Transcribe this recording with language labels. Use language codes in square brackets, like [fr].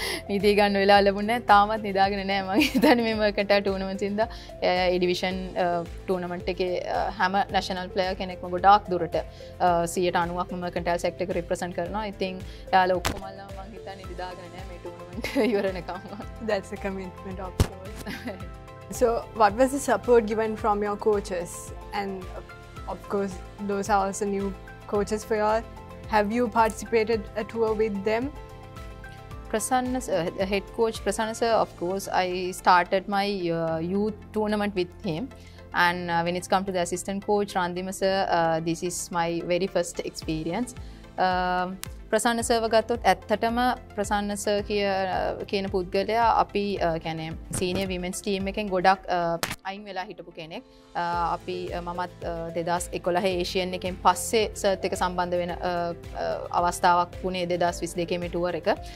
[si] නිදිය ගන්න වෙලාව ලැබුණේ නැහැ. තාමත් නිදාගෙන නැහැ. මම හිතන්නේ මේ වකට ටෝර්නමන්ට් ඉඳ ඒ ඩිවිෂන් ටෝර්නමන්ට් එකේ හැම නැෂනල් ප්ලේයර් කෙනෙක්ම ගොඩාක් දුරට 90%ක් මම කන්ටල් සෙක්ටර් එක රිප්‍රසන්ට් කරනවා. ඉතින් එයාලා ඔක්කොම අල්ලා මම හිතන්නේ නිදාගෙන නැහැ මේ ටෝර්නමන්ට් ඉවර වෙනකම්. [en] That's a commitment of course. So what was the support given from your coaches? And of course those are also new coaches for you all. Have you participated a tour with them? Prasanna sir, the head coach Prasanna sir, of course I started my youth tournament with him. And when it's come to the assistant coach Randima sir, this is my very first experience. [si] Prasanna sir gattot ඇත්තටම Prasanna sir කියන පුද්ගලයා අපි කියන්නේ senior women's team එකෙන් ගොඩක් අයින් වෙලා හිටපු කෙනෙක්. අපි මමත් 2011 ඒෂියන් එකෙන් පස්සේ සර්ත් එක සම්බන්ධ වෙන අවස්ථාවක් වුණේ 2022 මේ ටුවර් එක.